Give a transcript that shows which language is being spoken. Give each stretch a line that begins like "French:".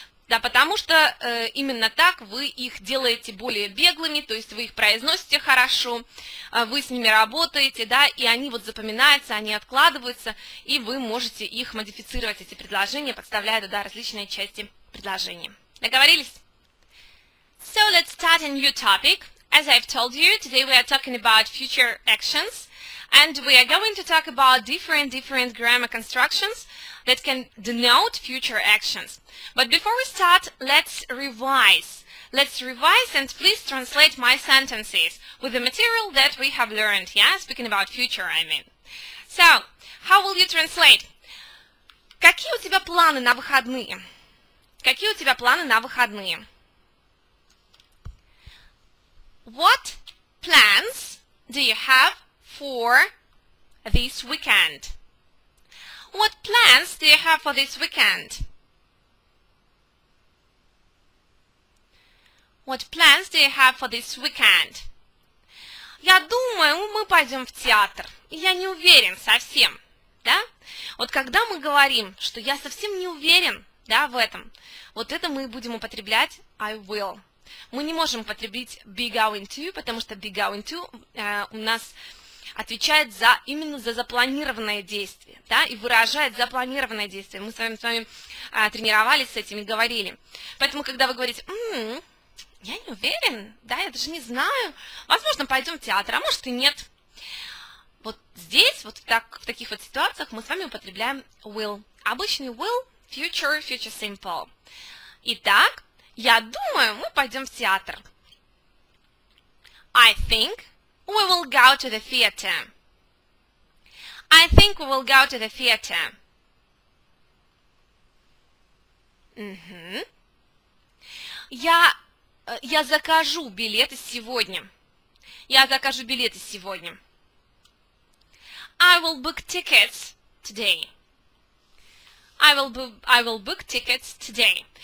Russian: Да, потому что именно так вы их делаете более беглыми, то есть вы их произносите хорошо, вы с ними работаете, да, и они вот запоминаются, они откладываются, и вы можете их модифицировать, эти предложения, подставляя туда различные части предложения. Договорились?
English: So let's start a new topic. As I've told you, today we are talking about future actions, and we are going to talk about different grammar constructions that can denote future actions. But before we start, let's revise. Let's revise and please translate my sentences with the material that we have learned. Yeah, speaking about future, I mean. So, how will you translate?
Russian: Какие у тебя планы на выходные? Какие у тебя планы на выходные?
English: What plans do you have for this weekend? What plans do you have for this weekend? What plans do you have for this weekend?
Russian: Я думаю, мы пойдем в театр. Я не уверен совсем. Да? Вот когда мы говорим, что я совсем не уверен, да, в этом, вот это мы будем употреблять I will. Мы не можем употребить be going to, потому что be going to у нас отвечает за именно за запланированное действие, да, и выражает запланированное действие. Мы с вами тренировались с этим и говорили. Поэтому, когда вы говорите, я не уверен, да, я даже не знаю, возможно, пойдем в театр, а может и нет. Вот здесь, вот так, в таких вот ситуациях мы с вами употребляем will. Обычный will, future simple. Итак, я думаю, мы пойдем в театр.
English: I think we will go to the theater. I think we will go to the theater. Mm-hmm.
Russian: Я закажу билеты сегодня. Я закажу билеты сегодня.
English: I will book tickets today. I will book tickets today.